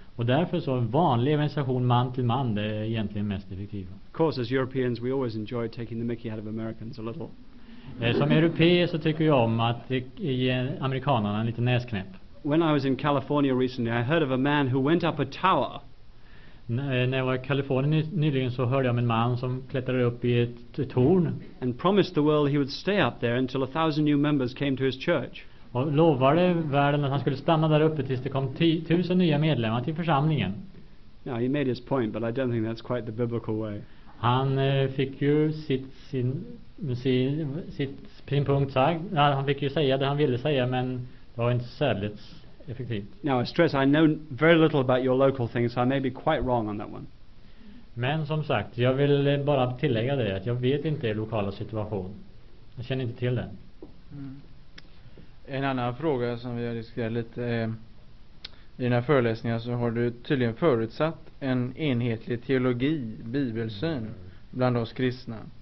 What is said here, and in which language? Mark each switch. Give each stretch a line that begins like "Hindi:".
Swedish: Och därför så en vanlig organisation man till man det är egentligen mest effektiv.
English: Of course, as Europeans we always enjoy taking the mickey out of Americans a little.
Swedish: Som europeer så tycker jag om att ge amerikanerna en liten näsknäpp.
English: When I was in California recently I heard of a man who went up a tower.
Swedish: När jag var i Kalifornien nyligen så hörde jag om en man som klättrade upp i ett torn.
English: And promised the world he would stay up there until 1,000 new members came to his church.
Swedish: Och lovade världen att han skulle stanna där uppe tills det kom 1,000 nya medlemmar till församlingen.
English: Now he made his point, but I don't think that's quite the biblical way.
Swedish: Han fick ju sin punkt sagt. Ja, han fick ju säga det han ville säga, men det var inte särskilt effektivt.
English: Now I stress, I know very little about your local thing, so I may be quite wrong on that one.
Swedish: Men som sagt, jag vill bara tillägga det att jag vet inte er lokala situation. Jag känner inte till den. En annan fråga som vi har diskuterat lite i den här föreläsningen, så har du tydligen förutsatt en enhetlig teologi, bibelsyn, bland oss kristna.